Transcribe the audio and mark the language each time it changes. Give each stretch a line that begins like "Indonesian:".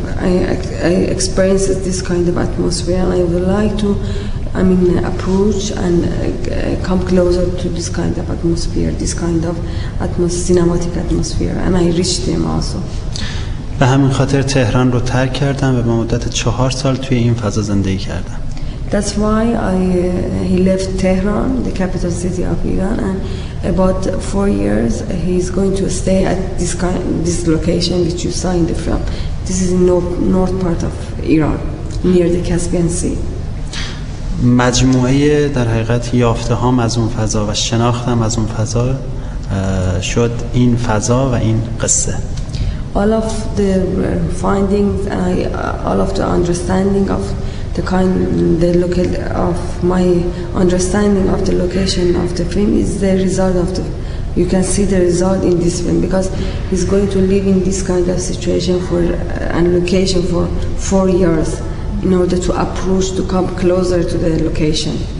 English: I experienced this kind of atmosphere, and I would like to, approach and come closer to this kind of atmosphere, this kind of cinematic atmosphere, and I reached them also.
Persian: به همین خاطر تهران رو ترک کردم و به مدت 4 سال توی این فضا زندگی کردم.
English: That's why he left Tehran, the capital city of Iran, and about 4 years he's going to stay at this location which you saw in the film. This is in north part of Iran, near the Caspian Sea.
Persian: مجموعه در حقیقت یافته هام از اون فضا و شناختم از اون فضا شد این فضا و این قصه.
English: All of the findings, all of the understanding of the location of the film is the result of the. You can see the result in this film because he's going to live in this kind of situation for and location for 4 years in order to approach to come closer to the location.